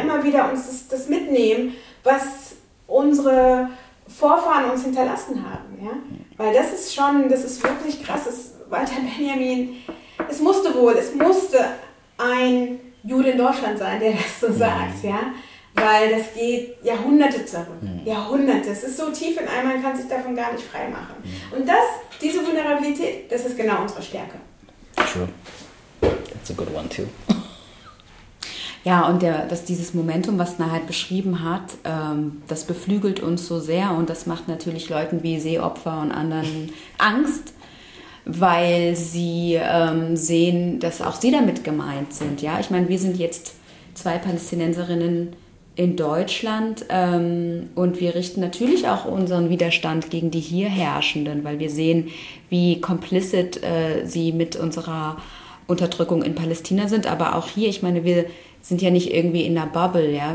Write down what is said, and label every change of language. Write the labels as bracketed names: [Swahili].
[German] Immer wieder uns das mitnehmen, was unsere Vorfahren uns hinterlassen haben, ja, weil das ist schon, das ist wirklich krass, das Walter Benjamin, es musste ein Jude in Deutschland sein, der das so sagt, ja, weil das geht Jahrhunderte zurück, Jahrhunderte, es ist so tief in einem, man kann sich davon gar nicht frei machen. Und das, diese Vulnerabilität, das ist genau unsere Stärke. [English] True, that's a good one too. [German] Ja, und dass dieses Momentum, was Nahed halt beschrieben hat, das beflügelt uns so sehr und das macht natürlich Leuten wie Seeopfer und anderen Angst, weil sie sehen, dass auch sie damit gemeint sind. Ja, ich meine, wir sind jetzt zwei Palästinenserinnen in Deutschland und wir richten natürlich auch unseren Widerstand gegen die hier Herrschenden, weil wir sehen, wie complicit sie mit unserer Unterdrückung in Palästina sind, aber auch hier, ich meine, wir sind ja nicht irgendwie in der Bubble, ja.